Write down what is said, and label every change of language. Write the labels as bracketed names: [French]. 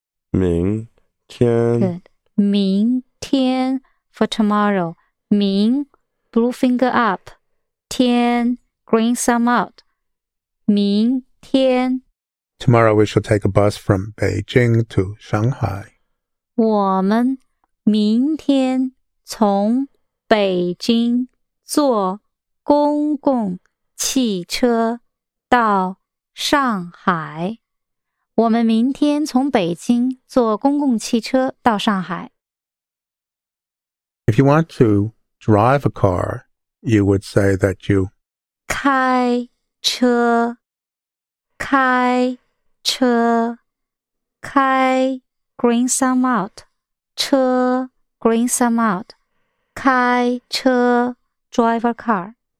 [Chinese] 明天 [English] Good. [Chinese] 明天 [English] for tomorrow 明 blue finger up天 green thumb out, 明天 Tomorrow we shall take a bus from Beijing to Shanghai. [Chinese] 我们明天从北京坐公共汽车到上海。我们明天从北京坐公共汽车到上海。 [English] If you want to drive a car,You would say that you [Chinese] 开车开车开 [English] green thumb out 车 green thumb out [Chinese] 开车 [English] drive a car.